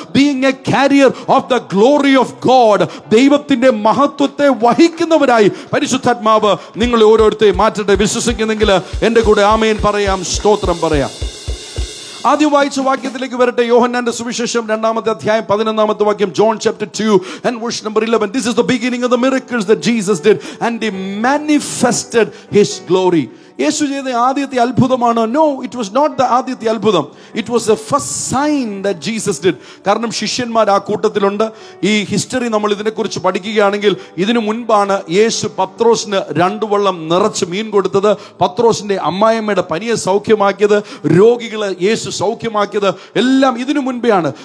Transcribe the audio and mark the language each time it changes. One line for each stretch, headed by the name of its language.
English: being a carrier of the glory of God,
Malayalam: ദൈവത്തിന്റെ മഹത്വത്തെ വഹിക്കുന്നവരായി പരിശുദ്ധാത്മാവ് നിങ്ങൾ ഓരോരുത്തരെയും മാറ്റട്ടെ. വിശ്വസിക്കുന്നെങ്കിൽ എന്റെ കൂടെ ആമേൻ പറയാം, സ്തോത്രം പറയാം. ആദ്യം വായിച്ച വാക്യത്തിലേക്ക് വരട്ടെ, യോഹന്നാന്റെ സുവിശേഷം 2:11 വാക്യം,
English: John chapter 2:11. This is the beginning of the miracles that Jesus did and he manifested his glory.
Malayalam: യേശു ചെയ്ത ആദ്യത്തെ അത്ഭുതമാണോ?
English: no, it was not the
Malayalam: ആദ്യത്തെ അത്ഭുതം.
English: It was the first sign that Jesus did.
Malayalam: കാരണം ശിഷ്യന്മാർ ആ കൂട്ടത്തിലുണ്ട്. ഈ ഹിസ്റ്ററി നമ്മൾ ഇതിനെക്കുറിച്ച് പഠിക്കുകയാണെങ്കിൽ ഇതിനു മുൻപാണ് യേശു പത്രോസിന് രണ്ടു വള്ളം നിറച്ച് മീൻ കൊടുത്തത്, പത്രോസിന്റെ അമ്മായമ്മയുടെ പനിയെ സൗഖ്യമാക്കിയത്, രോഗികളെ യേശു സൗഖ്യമാക്കിയത് എല്ലാം ഇതിനു മുൻപേ ആണ്.